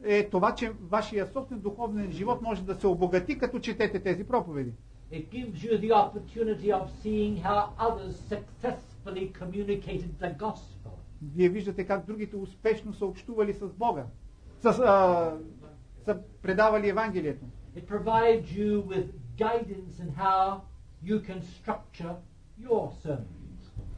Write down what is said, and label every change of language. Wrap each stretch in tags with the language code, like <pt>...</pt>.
<bg>това, че вашия собствен духовен живот може да се обогати, като четете тези проповеди.</bg> <en>It gives you the opportunity of seeing how others successfully communicated the gospel.</en> <bg>Вие виждате как другите успешно съобщували с Бога, са предавали Евангелието.</bg> <en>It provides you with guidance and how you can structure your sermons.</en>